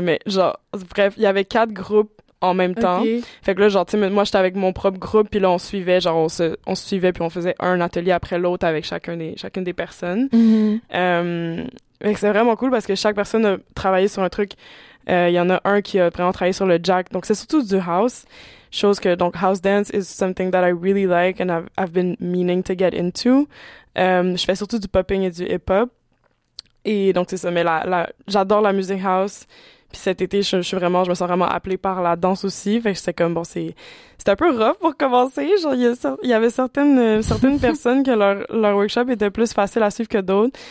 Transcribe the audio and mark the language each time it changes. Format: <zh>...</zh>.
<fr>Mais genre, bref, il y avait quatre groupes en même temps. Okay. Fait que là, genre, tu sais, moi, j'étais avec mon propre groupe. Puis là, on suivait, genre, on suivait. Puis on faisait un atelier après l'autre avec chacune des personnes. Mm-hmm. Mais c'est vraiment cool parce que chaque personne a travaillé sur un truc. Il y en a un qui a vraiment travaillé sur le jack. Donc, c'est surtout du house. Chose que, donc,</fr> <en>house dance is something that I really like and I've been meaning to get into.</en> <fr>Je fais surtout du popping et du hip-hop. Et donc, c'est ça. Mais j'adore la musique house. Puis cet été, je me sens vraiment appelée par la danse aussi. Fait que c'est comme, bon, c'est un peu rough pour commencer. Genre, il y avait certaines personnes que leur workshop était plus facile à suivre que d'autres.</fr>